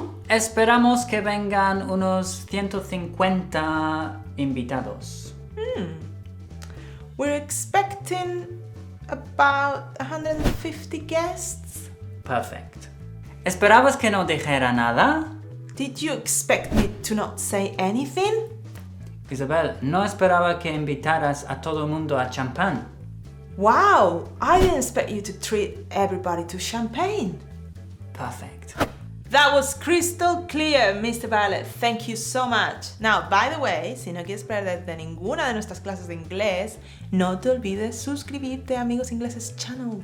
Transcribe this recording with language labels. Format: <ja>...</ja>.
<es>Esperamos que vengan unos 150 invitados.</es> <en>Mm. We're expecting about 150 guests. Perfect.</en> <es>¿Esperabas que no dijera nada?</es> <en>Did you expect me to not say anything?</en> <es>Isabel, no esperaba que invitaras a todo el mundo a champán.</es> <en>Wow, I didn't expect you to treat everybody to champagne. Perfect. That was crystal clear, Mr. Ballet. Thank you so much. Now, by the way,</en> <es>si no quieres perderte ninguna de nuestras clases de inglés, no te olvides suscribirte a Amigos Ingleses Channel.</es>